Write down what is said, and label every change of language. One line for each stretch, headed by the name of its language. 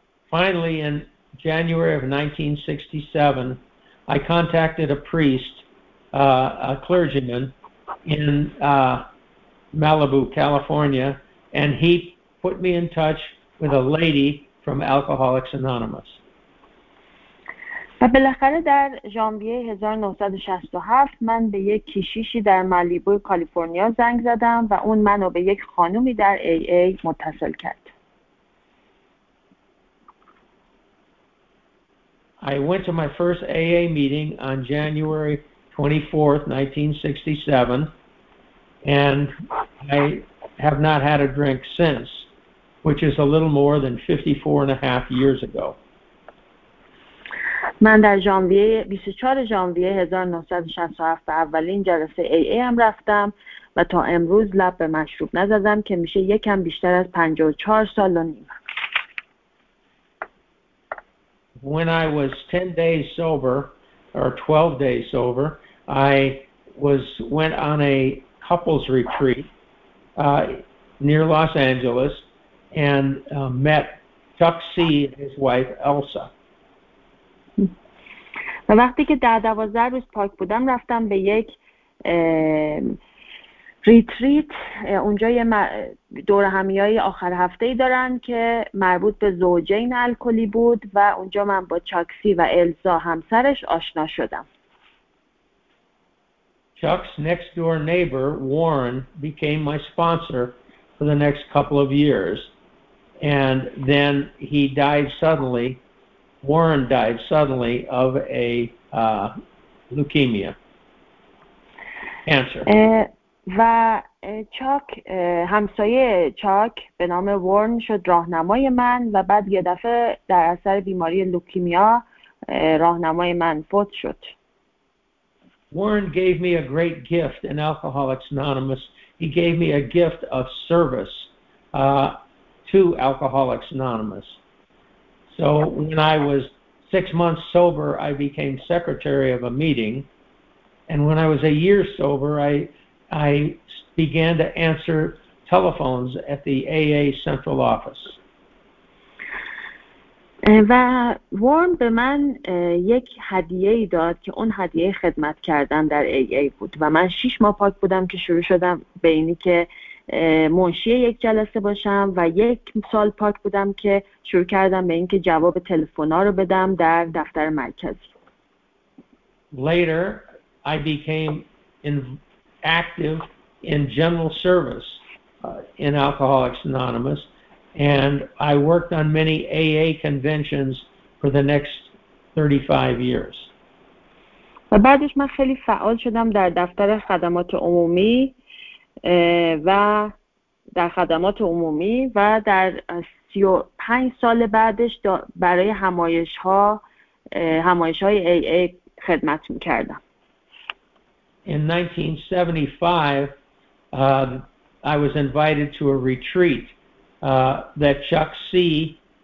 English: Finally, in January of 1967, I contacted a priest, a clergyman, in Malibu, California, and he put me in touch with a lady from Alcoholics Anonymous.
Persian: و بالاخره در ژانویه 1967 من به یک کشیشی در مالیبو کالیفرنیا زنگ زدم و اون منو به یک خانومی در AA متصل کرد.
English: I went to my first AA meeting on January 24th, 1967, and I have not had a drink since, which is a little more than 54 and a half years ago.
Persian: من در ژانویه 24 ژانویه 1967 اولین جلسه AA ام رفتم و تا امروز لب به مشروب نزدم که میشه یکم بیشتر از 54 سال و نیم.
English: When I was 10 days sober, or 12 days sober, I went on a couples retreat near Los Angeles and met Chuck C. and his wife Elsa.
Persian: و وقتی که در 12 روز پاک بودم رفتم به یک ریتریت، اونجا یه دور همیای آخر هفته‌ای دارن که مربوط به زوجین الکلی بود و اونجا من با چاکسی و الزا همسرش آشنا شدم.
English: Chuck's next door neighbor Warren became my sponsor for the next couple of years and then he died suddenly. Warren died suddenly of a leukemia cancer.
Persian: و چاک همسایه چاک به نام وارن شد راهنمای من و بعد یه دفعه در اثر بیماری لوکیمیا راهنمای من فوت شد.
English: Warren gave me a great gift in Alcoholics Anonymous. He gave me a gift of service to Alcoholics Anonymous. So when I was 6 months sober, I became secretary of a meeting, and when I was a year sober, I began to answer telephones at the AA central office.
Persian: و وارن به من یک هدیه ای داد که اون هدیه خدمت کردن در AA بود و من 6 ماه پاک بودم که شروع شدم به اینی که منشی یک جلسه باشم و یک سال پاک بودم که شروع کردم به اینکه جواب تلفونا رو بدم در دفتر مرکزی.
English: Later, I became active in general service in Alcoholics Anonymous And I worked on many AA conventions for the next 35 years.
Persian: و بعدش من خیلی فعال شدم در دفتر خدمات عمومی و در خدمات عمومی و در 35 سال بعدش برای همایش‌های AA خدمت می‌کردم.
English: In 1975, I was invited to a retreat that Chuck C.